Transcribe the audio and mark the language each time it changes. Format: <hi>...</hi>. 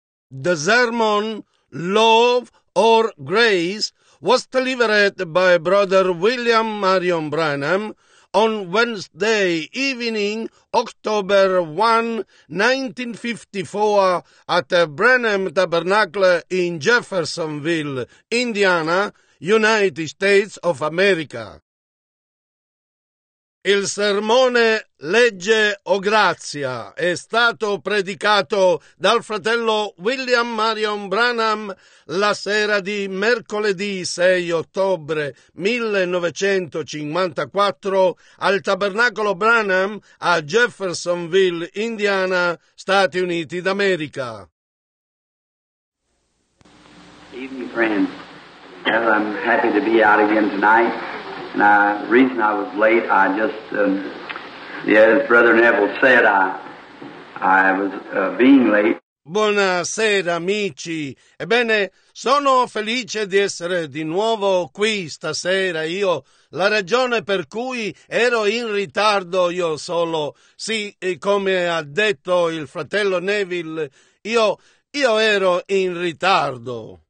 <en>The sermon, Love or Grace, was delivered by Brother William Marion Branham on Wednesday evening, October 1, 1954, at Branham Tabernacle in Jeffersonville, Indiana, United States of America.</en> <it>Il sermone Legge o Grazia è stato predicato dal fratello William Marion Branham la sera di mercoledì 6 ottobre 1954 al Tabernacolo Branham a Jeffersonville, Indiana, Stati Uniti d'America.</it> <en>Evening, friends. Well, I'm happy to be out again tonight. And the reason I was late, I just, as Brother Neville said, I was being late.</en> <it>Buonasera, amici. Ebbene, sono felice di essere di nuovo qui stasera. Io, la ragione per cui ero in ritardo, io solo, sì, come ha detto il fratello Neville, io ero in ritardo.</it>